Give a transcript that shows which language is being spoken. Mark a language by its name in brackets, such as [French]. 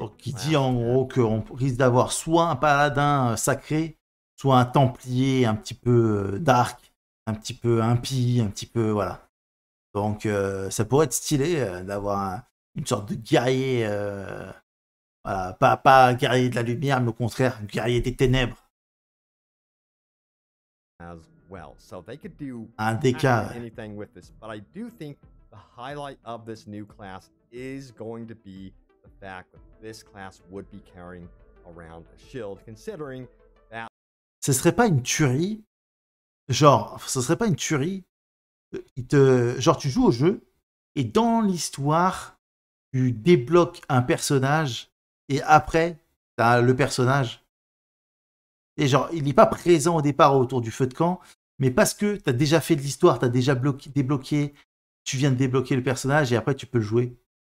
[French] Donc, qui dit en gros qu'on risque d'avoir soit un paladin sacré, soit un templier un petit peu dark, un petit peu impie, un petit peu voilà. Donc ça pourrait être stylé d'avoir une sorte de guerrier, voilà, pas guerrier de la lumière, mais au contraire guerrier des ténèbres. [English] As well, so they could do [French] un déca. [English] Anything with this, but I do think the highlight of this new class is going to be the fact that this class would be carrying around a shield, considering that. [French] Ce serait pas une tuerie, genre ce serait pas une tuerie. Il te, genre tu joues au jeu et dans l'histoire tu débloques un personnage et après t'as le personnage. Et genre, il n'est pas présent au départ autour du feu de camp, mais parce que tu as déjà fait de l'histoire, tu as déjà débloqué, tu viens de débloquer le personnage et après tu peux le jouer.